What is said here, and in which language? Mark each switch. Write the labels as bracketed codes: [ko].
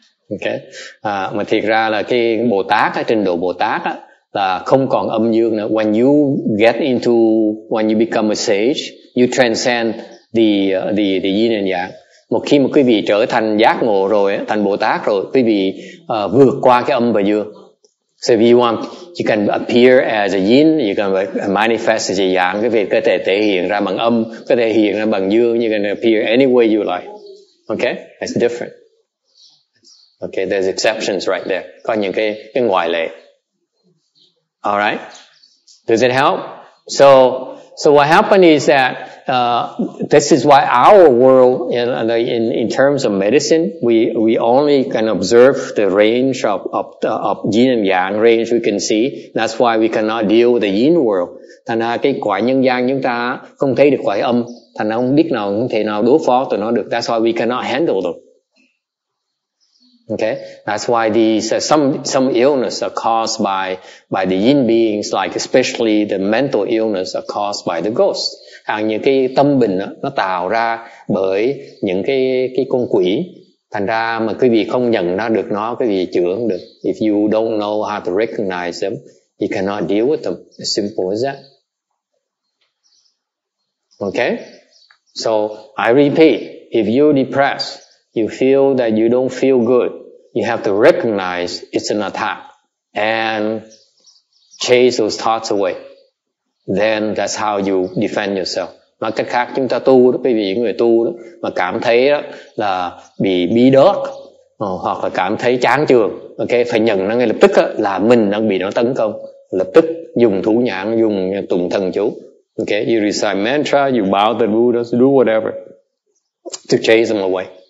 [vi] Okay. Mà thiệt ra là cái Bồ Tát, cái trình độ Bồ Tát á, là không còn âm dương nữa. [en] When you become a sage, you transcend the yin and yang. [vi] Một khi mà quý vị trở thành giác ngộ rồi, thành Bồ Tát rồi, quý vị vượt qua cái âm và dương. [en] So if you want, you can appear as a yin, you can manifest as a yang. [vi] Cái việc có thể thể hiện ra bằng âm, có thể hiện ra bằng dương, [en] you can appear any way you like. Okay? That's different. Okay, there's exceptions right there. [vi] Có những cái ngoại lệ. [en] Alright? Does it help? So what happened is that this is why our world, in terms of medicine, we only can observe the range of yin and yang range we can see. That's why we cannot deal with the yin world. [vi] Thành ra cái quả nhân gian chúng ta không thấy được quả âm, thành ra không biết nào không thể nào đối phó tụi nó được. [en] That's why we cannot handle them. Okay, that's why these some illness are caused by the yin beings, like especially the mental illness are caused by the ghost. [vi] Hàng những cái tâm bệnh nó tạo ra bởi những cái con quỷ. Thành ra mà quý vị không nhận ra được nó, quý vị chữa không được. [en] If you don't know how to recognize them, you cannot deal with them. As simple as that. Okay? So, I repeat, if you're depressed, you feel that you don't feel good, you have to recognize it's an attack and chase those thoughts away. Then that's how you defend yourself. [vi] Mà cách khác chúng ta tu đó, quý vị, những người tu đó mà cảm thấy đó là bị bí đớt hoặc là cảm thấy chán chường, ok, phải nhận nó ngay lập tức đó, là mình đang bị nó tấn công, lập tức dùng thủ nhãn, dùng tụng thần chú, ok, [en] you recite mantra, you bow to the Buddha, do whatever to chase them away,